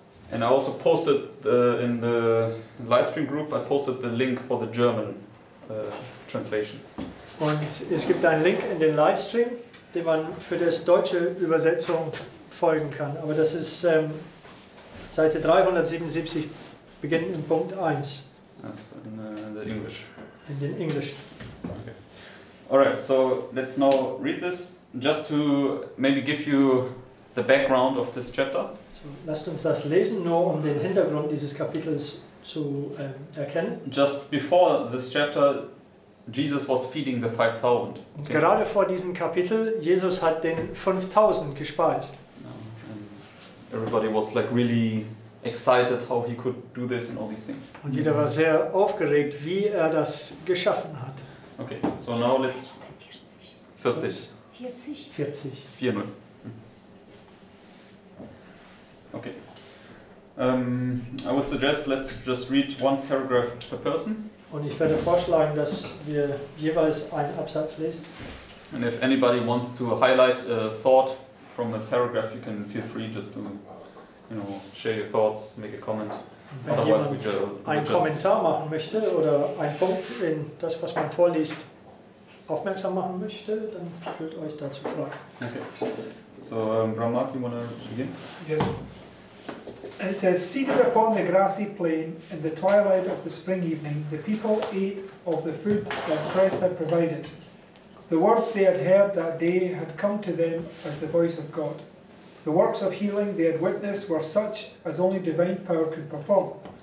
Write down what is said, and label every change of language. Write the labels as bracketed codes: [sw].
[en] And I also posted in the live stream group, I posted the link for the German translation. [de] Und es gibt einen Link in den Livestream, den man für das deutsche Übersetzung folgen kann. Aber das ist Seite 377, beginnt in Punkt 1. Das [en] in the English. [de] In den Englisch. [en] Okay. Alright, so let's now read this. Just to maybe give you the background of this chapter. So, [de] lasst uns das lesen, nur um den Hintergrund dieses Kapitels zu erkennen. [en] Just before this chapter, Jesus was feeding the 5,000. Okay. [de] Gerade vor diesem Kapitel, Jesus hat den 5,000 gespeist. [en] Everybody was like really excited how he could do this and all these things. [de] Und jeder war sehr aufgeregt, wie das geschaffen hat. [en] Okay, so now let's 40. 40. 40. 4-0. Okay. I would suggest let's just read one paragraph per person. [de] Und ich werde vorschlagen, dass wir jeweils einen Absatz lesen. [en] And if anybody wants to highlight a thought from a paragraph, you can feel free just to, you know, share your thoughts, make a comment. [de] Wenn jemand einen Kommentar machen möchte oder einen Punkt in das, was man vorliest, aufmerksam machen möchte, dann fühlt euch dazu frei. [en] Okay. So, Brahmak, you want to begin? Yes. It says, seated upon the grassy plain in the twilight of the spring evening, the people ate of the food that Christ had provided. The words they had heard that day had come to them as the voice of God. The works of healing they had witnessed were such as only divine power could perform.